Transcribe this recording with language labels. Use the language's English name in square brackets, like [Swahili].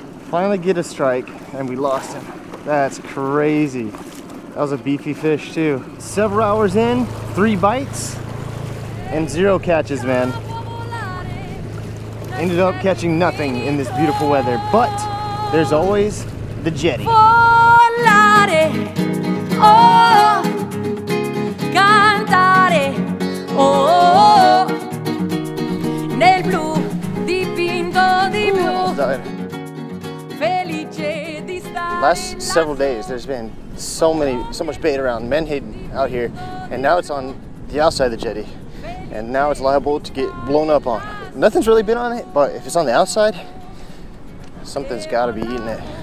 [English] Finally get a strike and we lost him. That's crazy. That was a beefy fish too. Several hours in, three bites and zero catches, man. Ended up catching nothing in this beautiful weather, but there's always the jetty. [Italian] Volare, oh, cantare, oh, nel blu dipinto di blu. Felice di stare. [English] Last several days, there's been so much bait around menhaden out here, and now it's on the outside of the jetty, and now it's liable to get blown up on. Nothing's really been on it, but if it's on the outside, something's gotta be eating it.